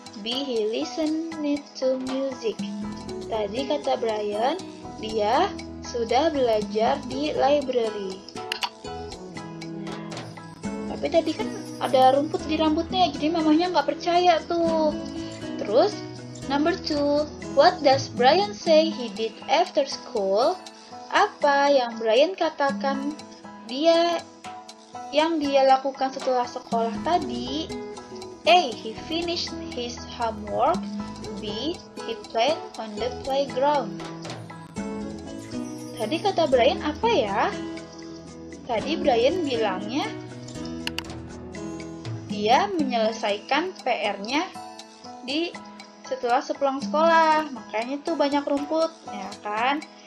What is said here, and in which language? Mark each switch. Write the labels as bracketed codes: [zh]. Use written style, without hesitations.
[id] B. [en] He listened to music. [id] Tadi kata Brian, dia sudah belajar di library. Tapi tadi kan ada rumput di rambutnya, jadi mamahnya nggak percaya tuh. Terus, [en] number two, what does Brian say he did after school? [id] Apa yang Brian katakan dia yang dia lakukan setelah sekolah tadi? A. [en] He finished his homework. B. He played on the playground. [id] Tadi kata Brian apa ya? Tadi Brian bilangnya dia menyelesaikan PR-nya di setelah sepulang sekolah, makanya tuh banyak rumput, ya kan?